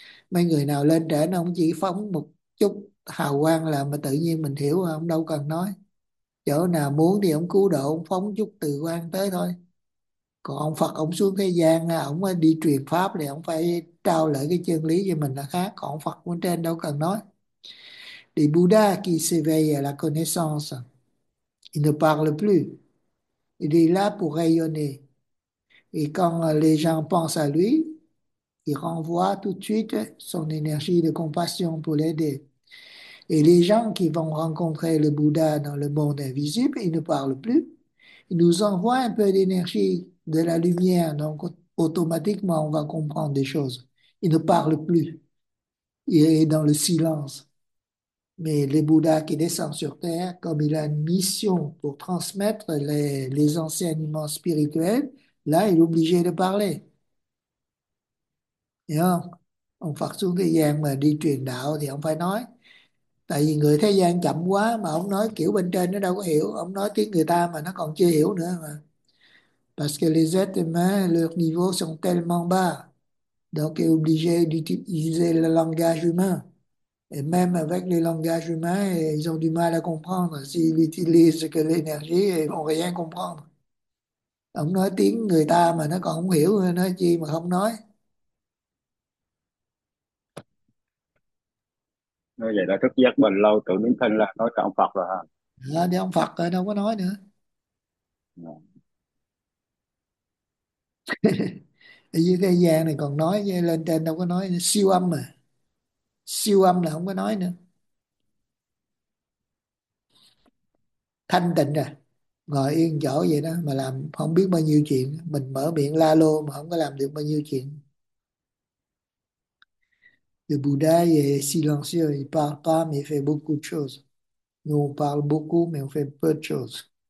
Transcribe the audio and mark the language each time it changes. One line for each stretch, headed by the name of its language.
Vietnamese: Mấy người nào lên trển ông chỉ phóng một chút hào quang là mà tự nhiên mình hiểu, ông đâu cần nói. Chỗ nào muốn thì ông cứu độ, ông phóng chút từ quang tới thôi. Còn ông Phật ông xuống thế gian, ông đi truyền pháp thì ông phải trao lại cái chân lý cho mình là khác. Còn ông Phật bên trên đâu cần nói.
French: Đi Buddha qui s'éveille à la connaissance, il ne parle plus. Il est là pour rayonner. Et quand les gens pensent à lui, il renvoie tout de suite son énergie de compassion pour l'aider. Et les gens qui vont rencontrer le Bouddha dans le monde invisible, ils ne parlent plus. Ils nous envoient un peu d'énergie, de la lumière, donc automatiquement on va comprendre des choses. Ils ne parlent plus. Il est dans le silence. Mais les Bouddhas qui descendent sur Terre, comme il a une mission pour transmettre les enseignements spirituels, là, il est obligé de parler.
Vietnamese: Hiểu không? Ông Phật xuống thế gian mà đi truyền đạo thì ông phải nói. Tại vì người thế gian chậm quá mà ông nói kiểu bên trên nó đâu có hiểu. Ông nói tiếng người ta mà nó còn chưa hiểu nữa mà.
French: Parce que les êtres humains, leur niveau sont tellement bas. Donc, il est obligé d'utiliser le langage humain. Et même avec les langages humains, ils ont du mal à comprendre. S'ils utilisent que l'énergie, ils vont rien comprendre.
Vietnamese: Ông nói tiếng người ta mà nó còn không hiểu, nói chi mà không nói. nói vậy là thức giác bền lâu tự miễn thân là nói trọng Phật rồi Đó, thì ông Phật rồi, đâu có nói ha. nữa. Ở dưới thế gian này còn nói, lên trên đâu có nói, siêu âm mà. Siêu âm là không có nói nữa, thanh tịnh rồi, ngồi yên chỗ vậy đó mà làm không biết bao nhiêu chuyện, mình mở miệng la lô mà không có làm được bao nhiêu chuyện.
French: Le Bouddha est silencieux, il parle pas mais fait beaucoup de choses. Nous on parle beaucoup mais on fait peu de choses.